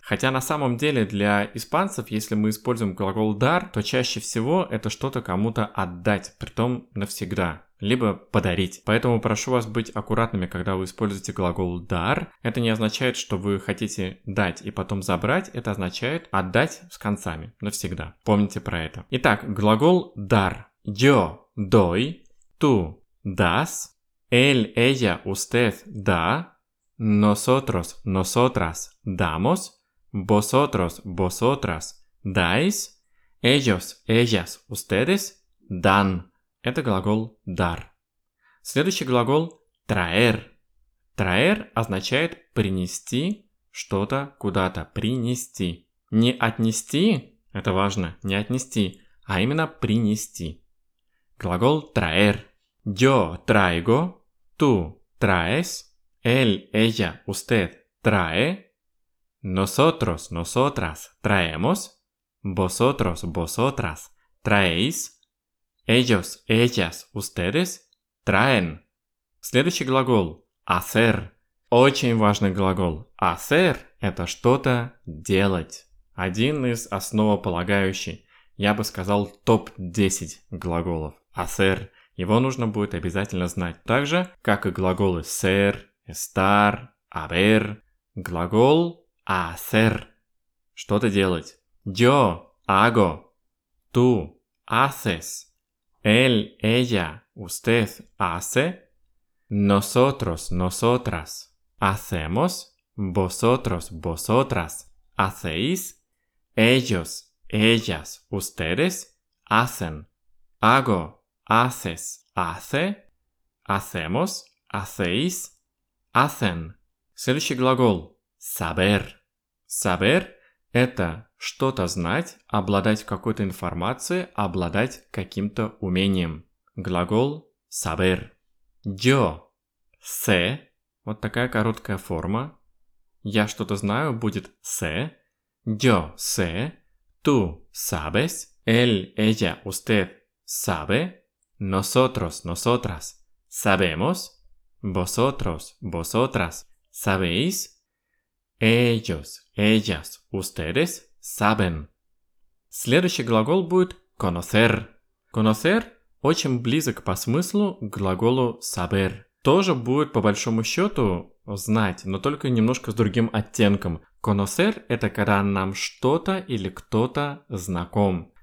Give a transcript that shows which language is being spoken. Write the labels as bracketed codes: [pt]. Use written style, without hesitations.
[ru] Хотя на самом деле для испанцев, если мы используем глагол «дар», то чаще всего это что-то кому-то отдать, притом навсегда. Либо подарить. Поэтому прошу вас быть аккуратными, когда вы используете глагол «дар». Это не означает, что вы хотите дать и потом забрать. Это означает отдать с концами навсегда. Помните про это. Итак, глагол «дар». [es] Yo doy, tú das, él, ella, usted da, nosotros, nosotras damos, vosotros, vosotras dais, ellos, ellas, ustedes dan. [ru] Это глагол «дар». Следующий глагол «traer». «Traer» означает «принести что-то куда-то». «Принести». Не «отнести» — это важно, не «отнести», а именно «принести». Глагол «traer». [es] «Yo traigo», «tú traes», «él, ella, usted trae», «nosotros, nosotras traemos», «vosotros, vosotras traéis», «Ellos, ellas, ustedes traen». [ru] Следующий глагол «hacer». Очень важный глагол. «Hacer» — это что-то делать. Один из основополагающих. Я бы сказал, топ-10 глаголов. «Hacer». Его нужно будет обязательно знать. Так же, как и глаголы «ser», «estar», «haber». Глагол «hacer». Что-то делать. [es] «Yo hago». «Tú haces». Él, ella, usted hace, nosotros, nosotras hacemos, vosotros, vosotras hacéis, ellos, ellas, ustedes hacen, hago, haces, hace, hacemos, hacéis, hacen. [ru] Следующий глагол «saber». «Saber» — это что-то знать, обладать какой-то информацией, обладать каким-то умением. Глагол saber. [es] Yo sé. [ru] Вот такая короткая форма. Я что-то знаю будет sé. [es] Yo sé. Tú sabes. Él, ella, usted sabe. Nosotros, nosotras sabemos. Vosotros, vosotras sabéis. Ellos, ellas, ustedes saben. [ru] Следующий глагол будет conocer. Conocer очень близок по смыслу к глаголу saber. Тоже будет по большому счету знать, но только немножко с другим оттенком. Conocer — это когда нам что-то или кто-то знаком.